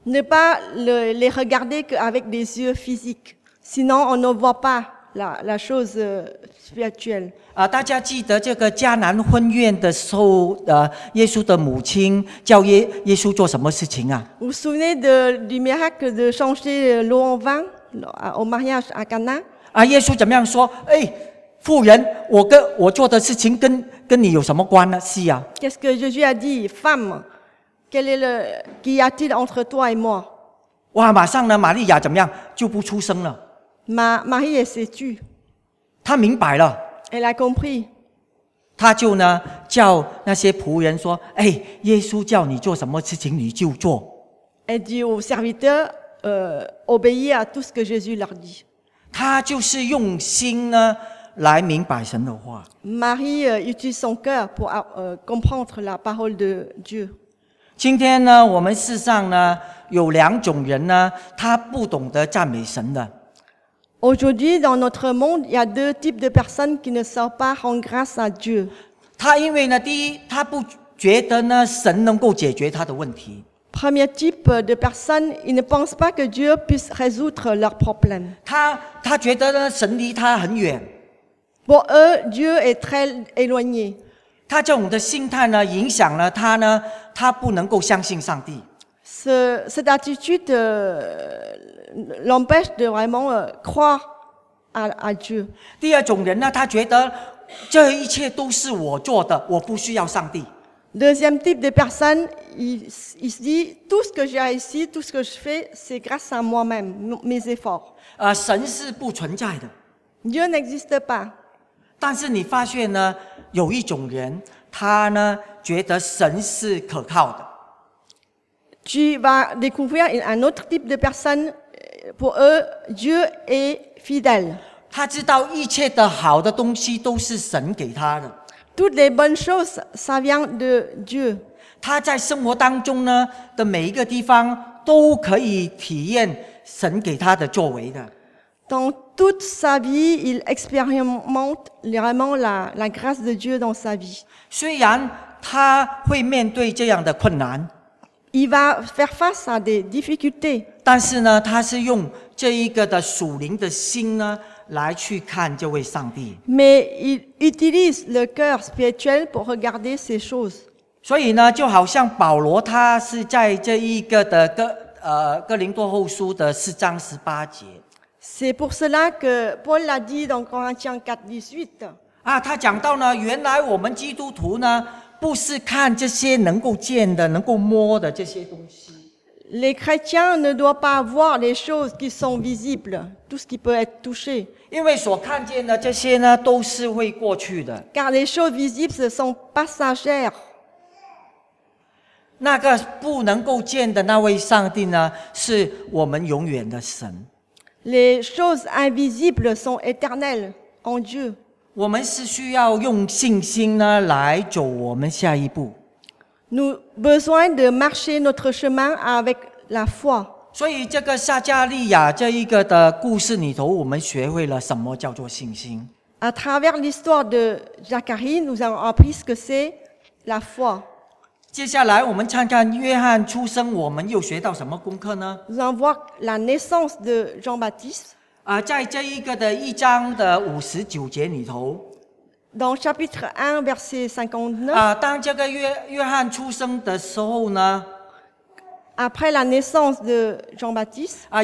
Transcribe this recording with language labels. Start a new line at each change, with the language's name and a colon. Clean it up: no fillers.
French: Ne pas les regarder qu'avec des yeux physiques, sinon on ne voit pas la chose spirituelle.
Chinese: 啊，大家记得这个迦南婚宴的时候，耶稣的母亲叫耶稣做什么事情啊
French: ？Vous souvenez du miracle de changer l'eau en vin au mariage à Cana？
Chinese: 啊，耶稣怎么样说？哎。妇人，我做的事情跟你有什么关呢？是啊。
French: Qu'est-ce que Jésus a dit, femme? Quel est le qui a-t-il entre toi et moi?
Chinese: 哇，马上呢，玛利亚怎么样就不出声了。
French: Marie est sûre.
Chinese: 她明白了。
French: Elle a compris.
Chinese: 她就呢叫那些仆人说：“哎，耶稣叫你做什么事情你就做。”
French: Elle dit aux serviteurs, obéir à tout ce que Jésus leur dit.
Chinese: 她就是用心呢。来明白神的话。
French: Marie utilise son cœur pour comprendre la parole de Dieu.
Chinese: 今天呢，我们世上呢有两种人呢，他不懂得赞美神的。
French: Aujourd'hui, dans notre monde, il y a deux types de personnes qui ne savent pas rendre grâce à Dieu.
Chinese: 他因为呢，第一，他不觉得呢神能够解决他的问题。
French: Premier type de personnes, ils ne pensent pas que Dieu puisse résoudre leurs problèmes.
Chinese: 他觉得呢神离他很远。
French: Pour eux, Dieu est très éloigné.
Chinese: 他这种的心态呢，影响了他呢，他不能够相信上帝。
French: Cette attitude l'empêche de vraiment croire à Dieu.
Chinese: 第二种人呢，他觉得这一切都是我做的，我不需要上帝。
French: Deuxième type de personne, il se dit tout ce que j'ai réussi, tout ce que je fais, c'est grâce à moi-même, mes efforts.
Chinese: 神是不存在的。
French: Dieu n'existe pas.
Chinese: 但是你发现呢，有一种人，他呢觉得神是可靠的。
French: Tu vas découvrir un autre type de personne. Pour eux, Dieu est fidèle.
Chinese: 他知道一切的好的东西都是神给他的。
French: Toutes les bonnes choses, ça vient de Dieu.
Chinese: 他在生活当中呢的每一个地方都可以体验神给他的作为的。
French: Dans toute sa vie, il expérimente vraiment la grâce de Dieu dans sa vie.
Chinese: 虽然他会面对这样的困难。
French: Il va faire face à des difficultés.
Chinese: 但是呢，他是用这一个的属灵的心呢来去看这位上帝。
French: Mais il utilise le cœur spirituel pour regarder ces choses.
Chinese: 所以呢，就好像保罗他是在这一个的哥林多后书的四章十八节。
French: C'est pour cela que Paul l'a dit dans Corinthiens 4:18.
Chinese: 啊，他讲到呢，原来我们基督徒呢。不是看这些能够见的、能够摸的这些东西。
French: Les chrétiens ne doivent pas voir les choses qui sont visibles, tout ce qui peut être touché.
Chinese: 因为所看见的这些呢，都是会过去的。
French: Car les choses visibles sont passagères.
Chinese: 那个不能够见的那位上帝呢，是我们永远的神。
French: Les choses invisibles sont éternelles en Dieu.
Chinese: 我们是需要用信心呢来走我们下一步。
French: Nous besoin de marcher notre chemin avec la foi。
Chinese: 所以这个撒加利亚这一个的故事里头，我们学会了什么叫做信心。
French: À travers l'histoire de Zacharie, nous avons appris ce que c'est la foi。
Chinese: 接下来我们看看约翰出生，我们又学到什么功课呢
French: ？Nous allons voir la naissance de Jean-Baptiste。
Chinese: 在这一个的一章的五十九节里头
French: ，dans chapitre 1 verset 59
Chinese: 当这个约翰出生的时候呢
French: ，après la naissance de Jean-Baptiste